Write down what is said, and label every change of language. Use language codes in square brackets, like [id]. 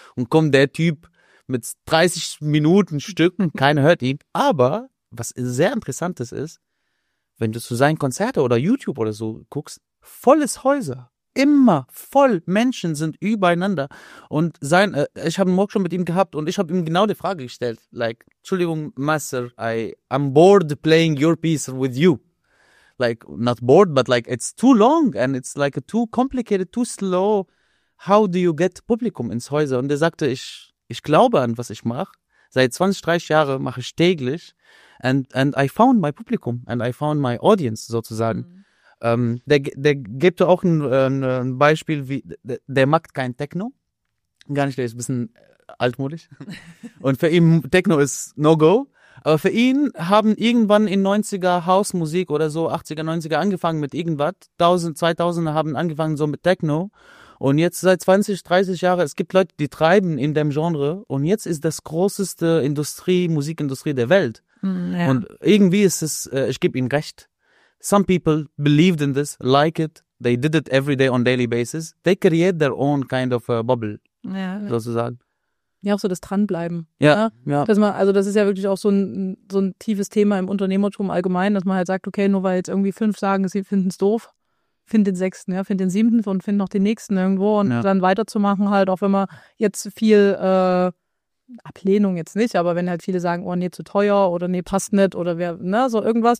[de] Und kommt der Typ mit 30 Minuten Stücken, keiner hört ihn. Aber was sehr Interessantes ist, wenn du zu seinen Konzerten oder YouTube oder so guckst, volles Häuser. Immer voll Menschen sind übereinander. Und ich habe einen Workshop mit ihm gehabt und ich habe ihm genau die Frage gestellt. [en] Like, [de] Entschuldigung, [en] Master, I'm bored playing your piece with you. Like, not bored, but like, it's too long and it's like too complicated, too slow. How do you get [de] Publikum ins Häuser? Und er sagte, ich glaube an, was ich mache. Seit 20, 30 Jahren mache ich täglich. [en] And I found my [de] Publikum [en] and I found my audience, [de] sozusagen. [en] Mhm. [de] Der gibt auch ein Beispiel, wie der mag kein Techno, gar nicht, der ist ein bisschen altmodisch und für ihn Techno ist No-Go, aber für ihn haben irgendwann in 90er Hausmusik oder so 80er, 90er angefangen mit irgendwas, 2000er haben angefangen so mit Techno und jetzt seit 20, 30 Jahren, es gibt Leute, die treiben in dem Genre und jetzt ist das größte Musikindustrie der Welt und irgendwie ist es, ich gebe ihm recht. [en] Some people believed in this, like it. They did it every day on daily basis. They create their own kind of bubble, [de] ja, sozusagen. Ja, auch so das Dranbleiben. Ja, ja. Dass man, also das ist ja wirklich auch so ein tiefes Thema im Unternehmertum allgemein, dass man halt sagt, okay, nur weil jetzt irgendwie 5 sagen, sie finden es doof, find den 6., ja, find den 7. und find noch den nächsten irgendwo und dann weiterzumachen halt, auch wenn man jetzt viel Ablehnung jetzt nicht, aber wenn halt viele sagen, oh nee, zu teuer oder nee, passt nicht oder wer, ne, so irgendwas.